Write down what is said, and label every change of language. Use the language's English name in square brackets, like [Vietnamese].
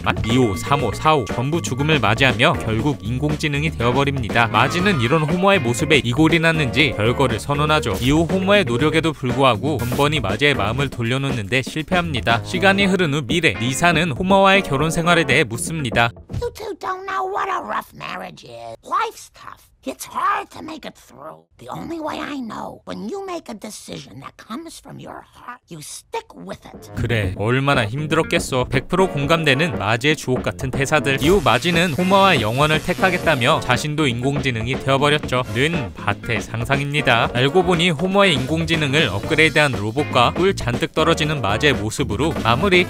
[Korean] 2호, 3호, 4호 전부 죽음을 맞이하며 결국 인공지능이 되어버립니다. 마지는 이런 호머의 모습에 이골이 났는지 별거를 선언하죠. 이후 호머의 노력에도 불구하고 번번이 마지의 마음을 돌려놓는데 실패합니다. 시간이 흐른 후 미래, 리사는 호머와의 결혼 생활에 대해 묻습니다. [English] You two don't know what a rough marriage is. Life's tough. It's hard to make it through. The only way I know, when you make a decision that comes from your heart, you stick with it. [Korean] 그래, 얼마나 힘들었겠어. 100% 공감되는 마지의 주옥 같은 대사들. 이후 마지는 호머와 영원을 택하겠다며 자신도 인공지능이 되어버렸죠. 는 밭의 상상입니다. 알고 보니 호머의 인공지능을 업그레이드한 로봇과 꿀 잔뜩 떨어지는 마지의 모습으로 마무리.